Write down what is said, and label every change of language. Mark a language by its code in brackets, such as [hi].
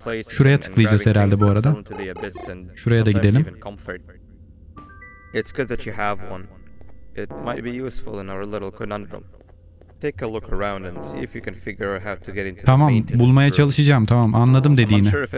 [tr] Şuraya tıklayacağız herhalde bu arada. Şuraya da gidelim. [en] It's good that you have one. It might be useful in our little conundrum. Take a look around and see if you can figure out how to get into. [tr] Tamam, bulmaya çalışacağım. Tamam, anladım dediğini.